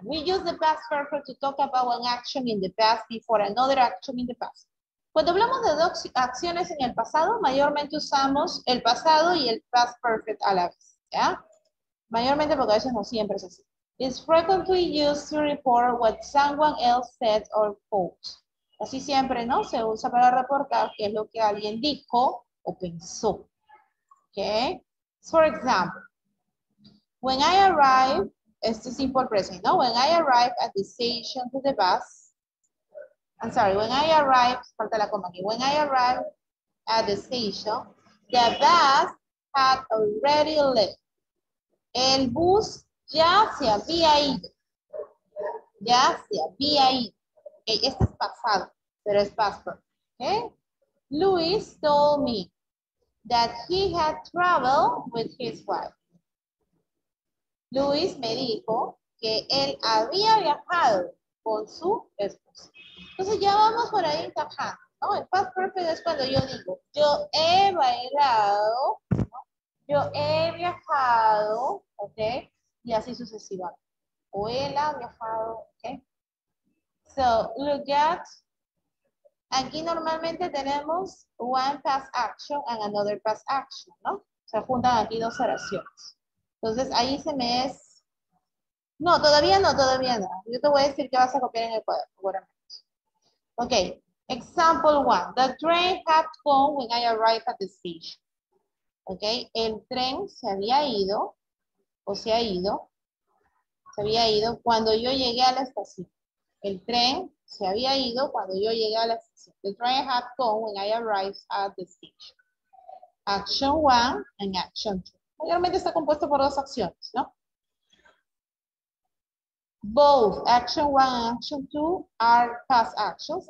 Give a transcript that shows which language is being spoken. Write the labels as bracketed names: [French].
[English] We use the past perfect to talk about one action in the past before another action in the past. [Spanish] Cuando hablamos de dos acciones en el pasado, mayormente usamos el pasado y el past perfect a la vez, ¿ya? ¿Eh? Mayormente porque a veces no siempre es así. [English] It's frequently used to report what someone else said or thought. [Spanish] Así siempre, ¿no? Se usa para reportar qué es lo que alguien dijo o pensó. [English] ¿Ok? For example, when I arrive, [Spanish] este es [English] simple present, ¿no? When I arrive at the station to the bus, I'm sorry, when I arrive, [Spanish] falta la coma aquí, [English] when I arrive at the station, the bus had already left. [Spanish] El bus ya se había ido. Ya se había ido. Okay, este es pasado, pero es pasado. Okay. [English] Luis told me that he had traveled with his wife. [Spanish] Luis me dijo que él había viajado con su esposa. Entonces ya vamos por ahí encajando, ¿no? El past perfect es cuando yo digo, yo he bailado, ¿no? Yo he viajado, ¿ok? Y así sucesivamente. O él ha viajado, [English] ¿ok? So, look at, [Spanish] aquí normalmente tenemos [English] one past action and another past action, ¿no? [Spanish] Se juntan aquí dos oraciones. Entonces, ahí se me es... No, todavía no, todavía no. Yo te voy a decir que vas a copiar en el cuadro. [English] Ok. Example one. The train had gone when I arrived at the station. [Spanish] Ok. El tren se había ido. O se ha ido. Se había ido cuando yo llegué a la estación. El tren se había ido cuando yo llegué a la estación. [English] The train had gone when I arrived at the station. Action one and action two. [Spanish] Mayormente está compuesto por dos acciones, ¿no? [English] Both, action one and action two, are past actions.